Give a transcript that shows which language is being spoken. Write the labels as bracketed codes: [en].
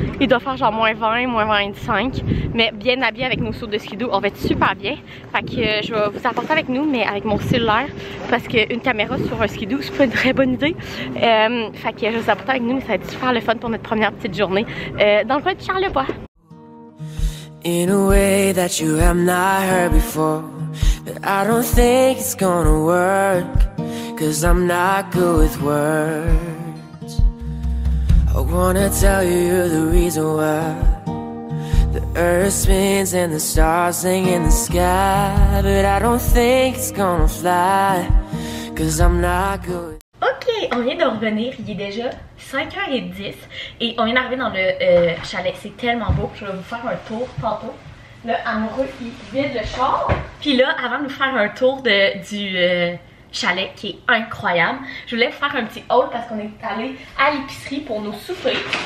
[fr] Il doit faire genre moins 20, moins 25. Mais bien habillé avec nos sauts de skidoo, on va être super bien. Fait que je vais vous apporter avec nous, mais avec mon cellulaire. Parce qu'une caméra sur un skidoo, c'est pas une très bonne idée. Fait que je vais vous apporter avec nous, mais ça va être super le fun pour notre première petite journée dans le coin de Charlevoix. [en] In a way that you have not heard before, but I don't think it's gonna work, 'cause I'm not good with words. I wanna tell you the reason why the earth spins and the stars sing in the sky, but I don't think it's gonna fly, 'cause I'm not good with. [fr] Ok, on vient de revenir, il est déjà 5h10 et on vient d'arriver dans le chalet, c'est tellement beau, je vais vous faire un tour tantôt. Le amoureux il vide le char, puis là avant de vous faire un tour du chalet qui est incroyable, je voulais vous faire un petit haul parce qu'on est allé à l'épicerie pour nos soupers.